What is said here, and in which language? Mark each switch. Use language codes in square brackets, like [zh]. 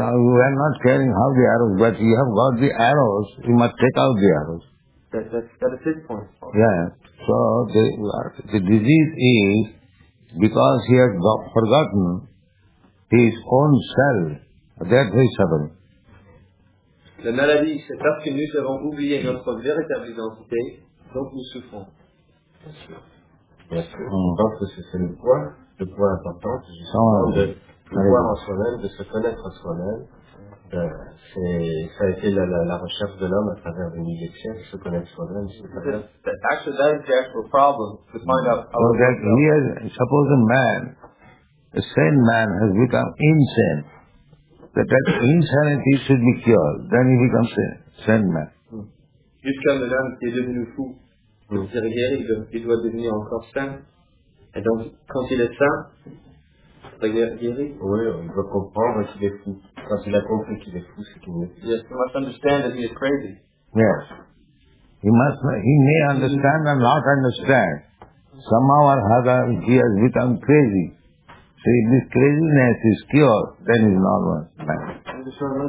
[en] Now you are not caring how the arrow, but you have got the arrows, you must take out the arrows. That is his point. Yeah. So the disease is because he has forgotten his own self, that he is suffering. [fr] La maladie, c'est parce que nous avons oublié notre véritable identité, donc nous souffrons. Bien sûr. Je pense que c'est le point important, justement, de pouvoir en soi-même, de se connaître soi-même. Ça a été la recherche de l'homme à travers des milliers de siècles, se connaître soi-même. [en] Actually, that is the actual problem, to find out how to do it. Suppose a sane man has become insane. That insanity should be cured, then he becomes a sane man. [fr] Jusqu'à un homme qui est devenu fou, il doit devenir encore sain. Et donc, quand il est sain, il va guérir. Oui, il doit comprendre qu'il est fou. Quand il a compris qu'il est fou, c'est qu'il est fou. [en] Yes, he must understand that he is crazy. Yes. He may understand and not understand. Somehow or other, he has become crazy. So if this craziness is cured, then he's normal.